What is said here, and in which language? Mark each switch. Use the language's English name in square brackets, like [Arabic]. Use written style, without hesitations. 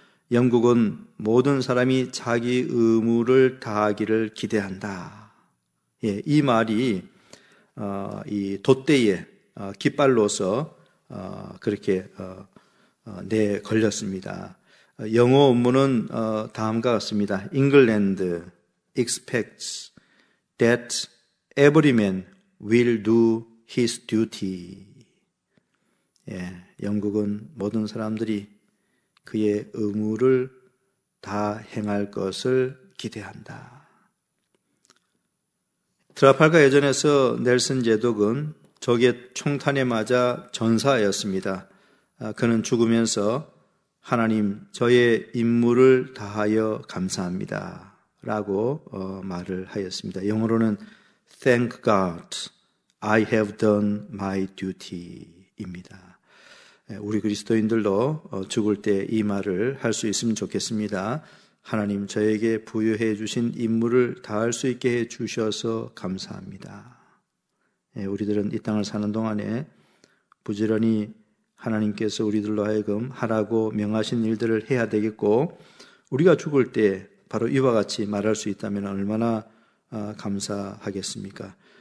[Korean] 영국은 모든 사람이 자기 의무를 다하기를 기대한다. 예, 이 말이 이 돛대에 깃발로서 그렇게 내걸렸습니다. 영어 원문은 다음과 같습니다. [English] England expects that every man will do his duty. [Korean] 예, 영국은 모든 사람들이 그의 의무를 다 행할 것을 기대한다. 트라팔가 해전에서 넬슨 제독은 적의 총탄에 맞아 전사하였습니다. 그는 죽으면서 하나님 저의 임무를 다하여 감사합니다 라고 말을 하였습니다. 영어로는 [English] Thank God I have done my duty [Korean] 입니다. 우리 그리스도인들도 죽을 때 이 말을 할 수 있으면 좋겠습니다. 하나님 저에게 부여해 주신 임무를 다할 수 있게 해 주셔서 감사합니다. 우리들은 이 땅을 사는 동안에 부지런히 하나님께서 우리들로 하여금 하라고 명하신 일들을 해야 되겠고 우리가 죽을 때 바로 이와 같이 말할 수 있다면 얼마나 감사하겠습니까?